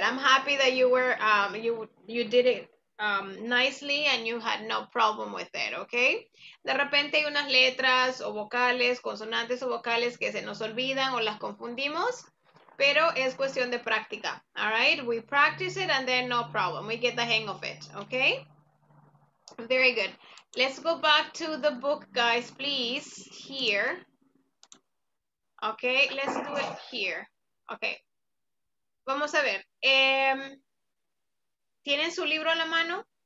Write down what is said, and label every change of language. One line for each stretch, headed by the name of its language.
English: I'm happy that you were you did it nicely and you had no problem with it, okay?
Spanish: De repente hay unas letras o vocales, consonantes o vocales que se nos olvidan o las confundimos, pero es cuestión de práctica,
English: all right? We practice it and then no problem. We get the hang of it, okay? Very good. Let's go back to the book, guys, please, here. Okay, let's do it here. Okay.
Spanish: Vamos a ver, ¿tienen su libro a la mano?